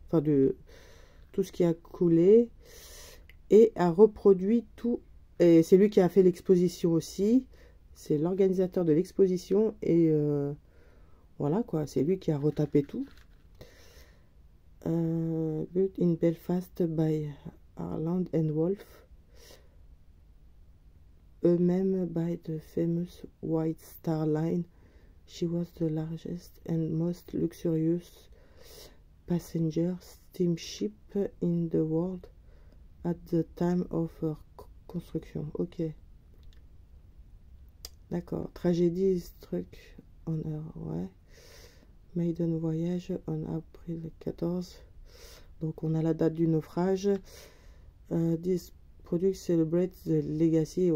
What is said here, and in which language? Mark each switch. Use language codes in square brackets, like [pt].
[fr] Enfin, de tout ce qui a coulé et a reproduit tout. Et c'est lui qui a fait l'exposition aussi. C'est l'organisateur de l'exposition. Et voilà quoi, c'est lui qui a retapé tout. [en] Built in Belfast by Harland and Wolff. Eux-mêmes by the famous White Star Line. She was the largest and most luxurious passenger steamship in the world at the time of her construction. Ok. D'accord. Tragédie struck on her. Ouais. Maiden voyage on April 14. [fr] Donc on a la date du naufrage. [en] This product celebrates the legacy.